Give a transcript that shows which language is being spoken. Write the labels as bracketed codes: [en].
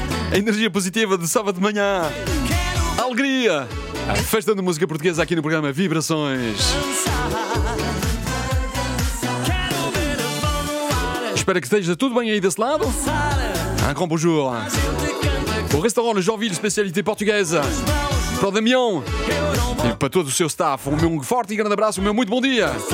[pt] A energia positiva de sábado de manhã. Alegria. A festa de música portuguesa aqui no programa Vibrações. Espero que esteja tudo bem aí desse lado. [fr] Un grand bonjour. Au restaurant Le Jeanville, spécialité portugaise. [pt] Pro Damião. E para todo o seu staff, o meu forte e grande abraço, o meu muito bom dia.